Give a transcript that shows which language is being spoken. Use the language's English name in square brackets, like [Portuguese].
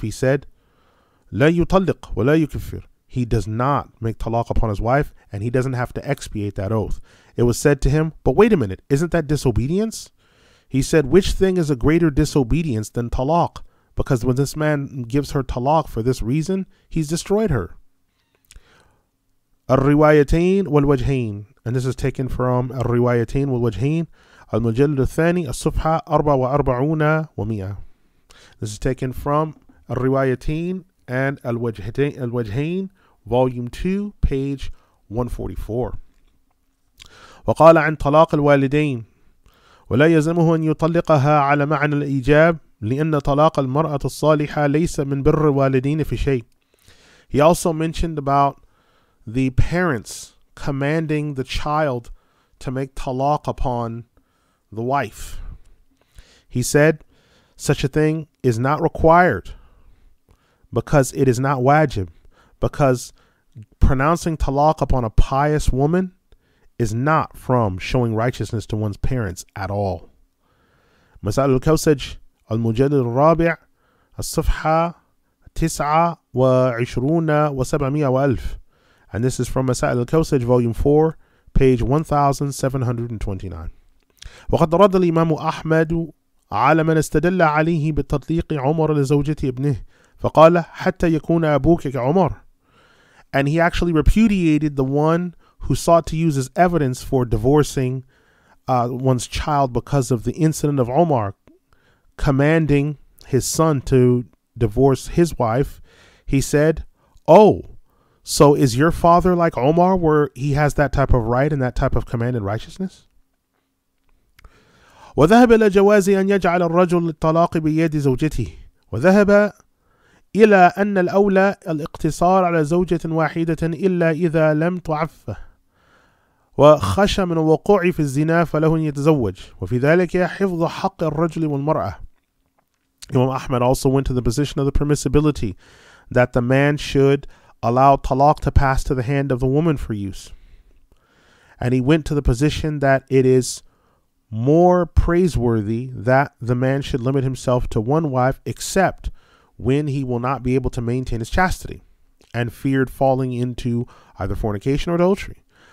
[English] He said, [Arabic] لا يطلق ولا يكفر. [English] He does not make talaq upon his wife, and he doesn't have to expiate that oath. It was said to him, but wait a minute, isn't that disobedience? He said, which thing is a greater disobedience than talaq? Because when this man gives her talaq for this reason, he's destroyed her. [Arabic] الرِّوَايَتَيْن والوجهين. [English] And this is taken from الرِّوَايَتَيْن والوجهين. [Arabic] المجلد الثاني الصفحة 44 و100. [English] This is taken from الرِّوَايَتَيْن and الوجهين, volume 2, page 144. [Arabic] وقال عن طلاق الوالدين ولا يزمه أن يطلقها على معنى الإيجاب لأن طلاق المرأة الصالحة ليس من بر الوالدين في شيء. [English] He also mentioned about the parents commanding the child to make talaq upon the wife. He said, such a thing is not required because it is not wajib, because pronouncing talaq upon a pious woman is not from showing righteousness to one's parents at all. [Arabic] مسألة الكوسج المجلد الرابع الصفحة 29,700,000. [English] And this is from Masail al-Kawsaj, volume 4, page 1729. [Arabic] وَقَدْ رَدَّ الْإِمَامُ أَحْمَدُ عَلَى مَنْ اسْتَدَلَّ عَلَيْهِ بِالتَّطْلِيقِ عُمَرَ لِزَوْجَةِ ابْنِهِ فَقَالَ حَتَّى يَكُونَ أَبُوكَ كَعُمَرَ. [English] And he actually repudiated the one who sought to use as evidence for divorcing one's child because of the incident of Umar commanding his son to divorce his wife. He said, oh, so is your father like Omar, where he has that type of right and that type of command and righteousness? [Arabic] وذهب إلى جواز أن يجعل الرجل الطلاق بيد زوجته وذهب إلى أن الأولى الاقتصار على زوجة واحدة إلا إذا لم تعفه وخشى من الوقوع في الزنا فله أن يتزوج وفي ذلك حفظ حق الرجل والمرأة. [English] Imam Ahmad also went to the position of the permissibility that the man should allow talaq to pass to the hand of the woman for use. And he went to the position that it is more praiseworthy that the man should limit himself to one wife except when he will not be able to maintain his chastity and feared falling into either fornication or adultery.